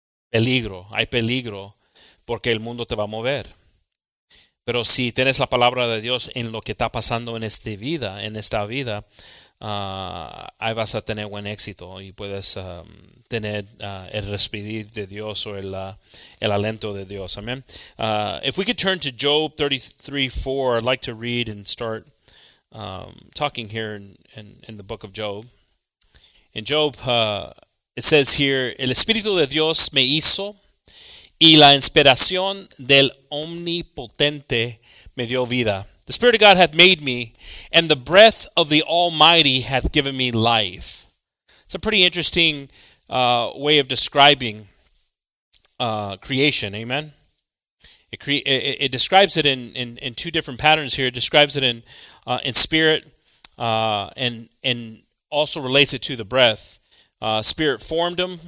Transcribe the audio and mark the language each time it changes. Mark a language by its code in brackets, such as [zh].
[es] Peligro, hay peligro porque el mundo te va a mover. Pero si tienes la palabra de Dios en lo que está pasando en esta vida, ahí vas a tener buen éxito y puedes tener el respirar de Dios o el aliento de Dios. Amen. [en] If we could turn to Job 33:4, I'd like to read and start talking here in the book of Job. In Job, it says here, [es] el Espíritu de Dios me hizo y la inspiración del Omnipotente me dio vida. [en] The Spirit of God hath made me, and the breath of the Almighty hath given me life. It's a pretty interesting way of describing creation, amen? It describes it in two different patterns here. It describes it in spirit and also relates it to the breath. Spirit formed him.